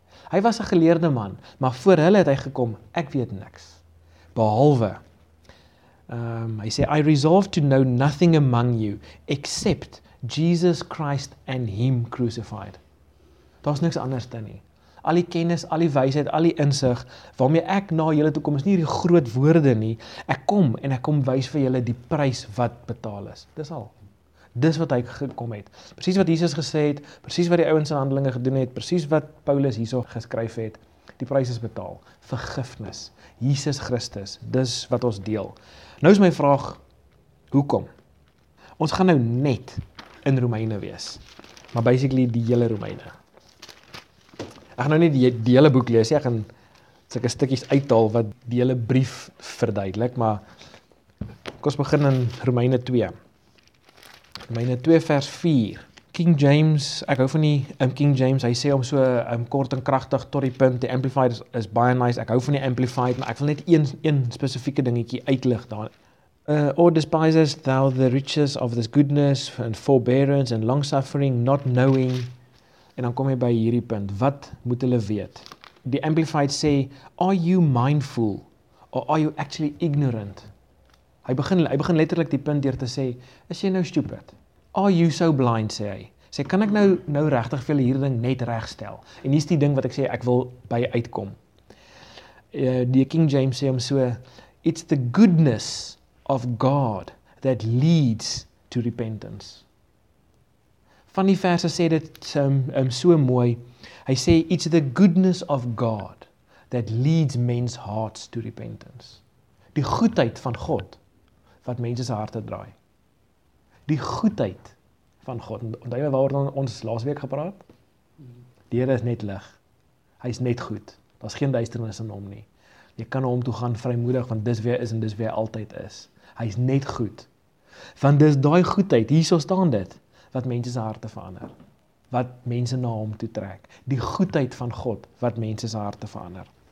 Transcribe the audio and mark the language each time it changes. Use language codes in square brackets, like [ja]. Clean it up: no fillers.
[af] Hy was 'n geleerde man, maar voor hulle het hy gekom, ek weet niks. Behalwe, hy sê, [en] I resolve to know nothing among you, except Jesus Christ and Him crucified. [af] Daar is niks anders dan nie. Al die kennis, al die wysheid, al die insig, waarmee ek na julle toe kom, is nie die groot woorde nie. Ek kom en ek kom wys vir julle die prys wat betaal is. Dis al. Dis wat hy gekom het. Presies wat Jesus gesê het, presies wat die ouens in Handelinge gedoen het, presies wat Paulus hierso geskryf het, die prys is betaal. Vergifnis. Jesus Christus. Dis wat ons deel. Nou is my vraag, hoekom? Ons gaan nou net in Romeine wees. Maar basically die hele Romeine. Ek gaan nou nie die hele boek lees, ek gaan sulke stukkies uithaal wat die hele brief verduidelik, maar kom ons begin in Romeine 2. Romeine 2 vers 4. King James, ek hou van die King James, hy sê om so kort en krachtig tot die punt, die Amplified is baie nice, ek hou van die Amplified, maar ek wil net een spesifieke dingetjie uitlig daar. [en] Or despisest thou the riches of this goodness and forbearance and longsuffering, not knowing. [af] En dan kom jy by hierdie punt, wat moet hulle weet? Die Amplified sê, [en] are you mindful or are you actually ignorant? [af] Hy begin letterlik die punt deur te sê, is jy nou stupid? [en] Are you so blind, [af] sê hy. Sê, kan ek nou regtig vir hierdie ding net regstel? En hier is die ding wat ek sê, ek wil by uitkom. Die King James sê hom so, [en] it's the goodness of God that leads to repentance. [af] Van die verse sê dit so mooi, hy sê, [en] it's the goodness of God that leads men's hearts to repentance. [af] Die goedheid van God, wat mense se harte draai. Die goedheid van God, onthou jy waar ons laas week gepraat? Die Here is net lig, hy is net goed, daar is geen duisternis in hom nie. Jy kan na hom toe gaan vrymoedig, want dis wie hy is en dis wie hy altyd is. Hy is net goed, want dis daai goedheid, hierso staan dit, wat mense se harte verander, wat mense na hom toe trek, die goedheid van God, wat mense se harte verander.